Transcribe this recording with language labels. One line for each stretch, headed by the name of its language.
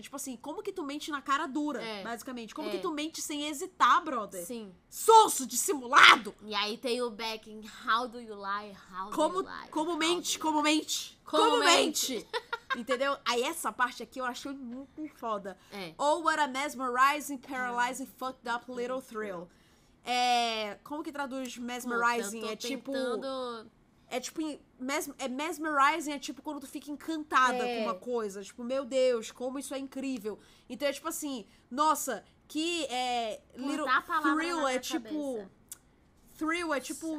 Portuguese: Tipo assim, como que tu mente na cara dura, basicamente? Como que tu mente sem hesitar, brother? Sim. Sonso, dissimulado! E aí tem o backing,
English: how do you lie,
Portuguese: Como mente, como mente. Como mente. Entendeu? Aí essa parte aqui eu achei muito foda. É.
English: Oh, what a mesmerizing, paralyzing, fucked up little thrill.
Portuguese: É, como que traduz mesmerizing? Pô, é tentando... tipo... mesmerizing é tipo quando tu fica encantada com uma coisa. Tipo, meu Deus, como isso é incrível. Então é tipo assim, nossa, que é...
English: Little
Portuguese: thrill é tipo... Thrill é tipo